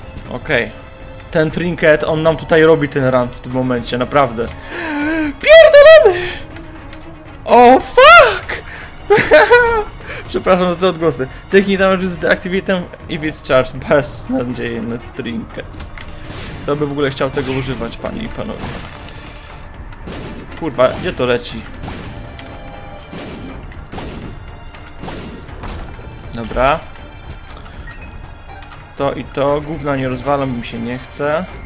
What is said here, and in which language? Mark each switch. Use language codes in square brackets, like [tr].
[pl] Okej. Okay. Ten trinket, on nam tutaj robi ten run w tym momencie, naprawdę. Pierdolony! [en] Oh fuck! [pl] Przepraszam za te odgłosy. [en] Technique damage is deactivated if it's charged. [pl] Bez nadziei na trinket. Kto by w ogóle chciał tego używać, panie i panowie? Kurwa, gdzie to leci? Dobra. To i to. Gówna nie rozwalam, mi się nie chce.